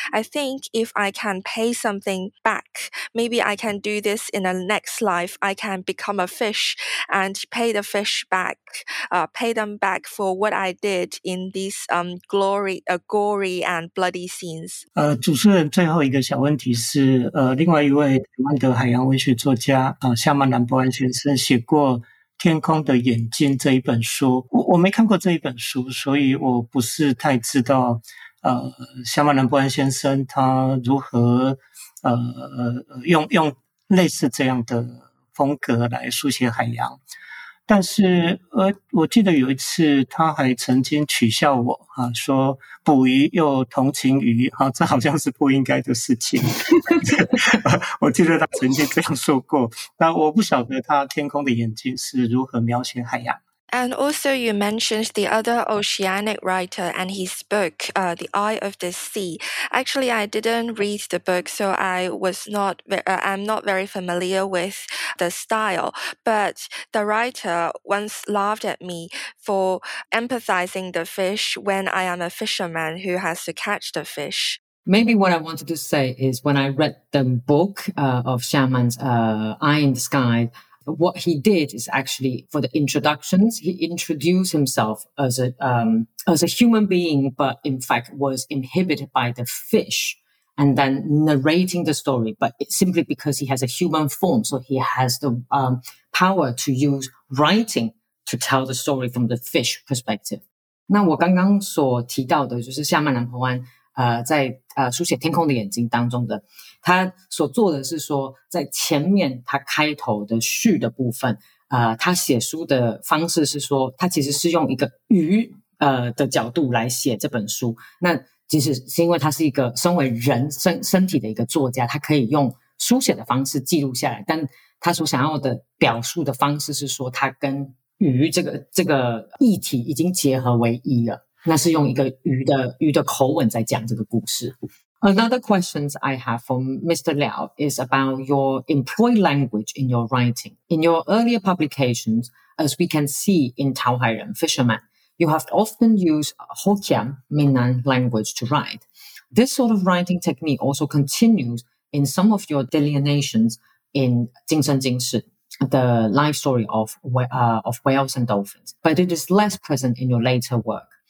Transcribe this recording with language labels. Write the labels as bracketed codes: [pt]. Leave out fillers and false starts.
[en] I think if I can pay something back, maybe I can do this in a next life. I can become a fish and pay the fish back, pay them back for what I did in these gory and bloody scenes. [zh] 主持人最后一个小问题是，另外一位台湾的海洋文学作家，夏曼兰博安先生写过《天空的眼睛》这一本书。我没看过这一本书，所以我不是太知道，夏曼兰博安先生他如何，用类似这样的风格来书写海洋。但是我记得有一次他还曾经取笑我啊，说捕鱼又同情鱼啊，这好像是不应该的事情。我记得他曾经这样说过，但我不晓得他天空的眼睛是如何描写海洋。 [en] And also you mentioned the other oceanic writer and he spoke The Eye of the Sea. Actually, I didn't read the book, so I was not, I'm not very familiar with the style. But the writer once laughed at me for empathizing the fish when I am a fisherman who has to catch the fish. Maybe what I wanted to say is when I read the book of Shaman's Eye in the Sky,what he did is actually for the introductions, he introduced himself as a human being, but in fact was inhibited by the fish and then narrating the story, but simply because he has a human form. So he has the power to use writing to tell the story from the fish perspective. [zh] 那我刚刚所提到的就是夏曼兰博安在书写天空的眼睛当中的他所做的是说在前面他开头的序的部分他写书的方式是说他其实是用一个鱼的角度来写这本书那其实是因为他是一个身为人 身体的一个作家他可以用书写的方式记录下来但他所想要的表述的方式是说他跟鱼这个议题已经结合为一了那是用一个鱼的口吻在讲这个故事。 [en] Another question I have for Mr. Liao is about your employed language in your writing. In your earlier publications, as we can see in Tao Hai Ren, Fisherman, you have often used Hokkien, Minnan language to write. This sort of writing technique also continues in some of your delineations in Jing Sheng Jing Shi, the life story of whales and dolphins, but it is less present in your later work.